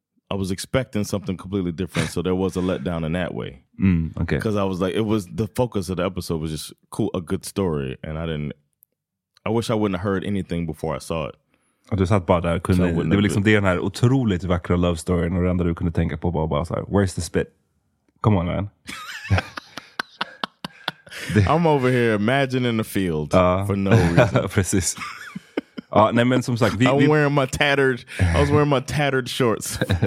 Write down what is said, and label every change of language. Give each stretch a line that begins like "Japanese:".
English: I was expecting something completely different, so there was a letdown in that way. Okay. Because I was like, it was the focus of the episode was just cool, a good story, and I wish I wouldn't have heard anything before I saw it.
Swedish: Och du satt bara där, det var liksom det, den här otroligt vackra love storyn, och det enda du kunde tänka på bara så här,
English: where's the spit? Come on, man. I'm over here imagining the field for no reason.
Swedish: Precis. Ja, nej, men som sagt,
English: I was wearing my tattered shorts.